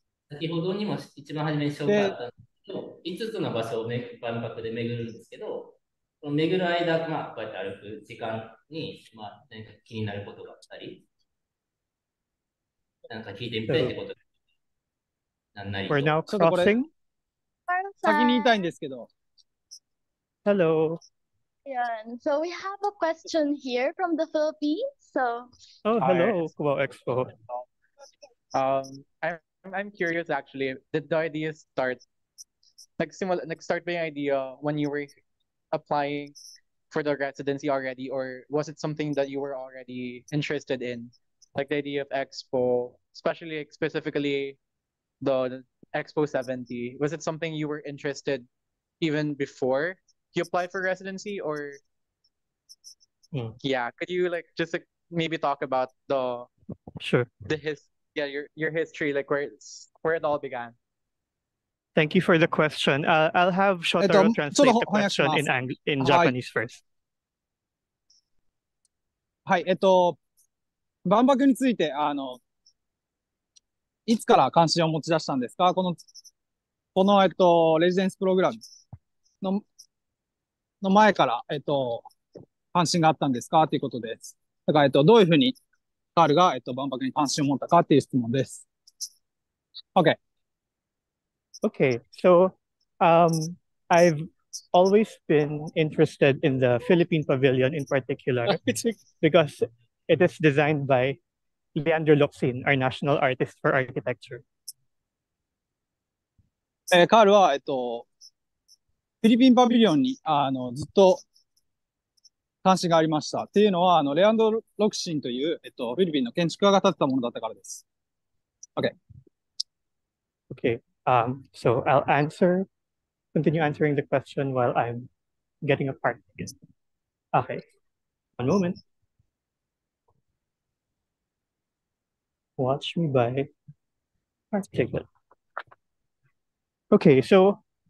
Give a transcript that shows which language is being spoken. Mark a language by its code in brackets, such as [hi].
[ja] 先ほどにも一番初めに紹介したのと、5つの場所を万博で巡るんですけど、その巡る間、まあ、こうやって歩く時間に、まあ、何か気になることがあったり、何か聞いてみたいってことがなんなり。 [en] We're now crossing? [ja] 先に言いたいんですけど。 [en] Hello. Yeah, and so we have a question here from the Philippines. So... Oh, hello, Cubao Expo. I'm curious actually, did the idea start, start being idea when you were applying for the residency already, or was it something that you were already interested in? Like the idea of Expo, especially like, specifically the Expo 70, was it something you were interested even before you applied for residency or, yeah, could you like just like, maybe talk about the, sure. the history? Yeah, your history, like where it all began. Thank you for the question. I'll have Shotaro translate the question in Japanese first. [ja] はい、万博についてI つから関心を持ち出したんですか。このレジデンスプログラムのの前から、関心があったんですかっていうことです。だから、どういうふうに、カールが、万博に関心を持ったかっていう質問です。 [en] Okay. Okay. So, I've always been interested in the Philippine Pavilion in particular because it is designed by Leandro Locsin, our national artist for architecture. [ja] カールは、フィリピンパビリオンに、ずっと関心がありました。っていうのは、レアンドロ・ロクシンという、フィリピンの建築家が建てたものだったからです。 [en] Okay. Okay. So I'll answer, continue answering the question while I'm getting a part again. Okay. One moment. Watch me by particular. Okay, so,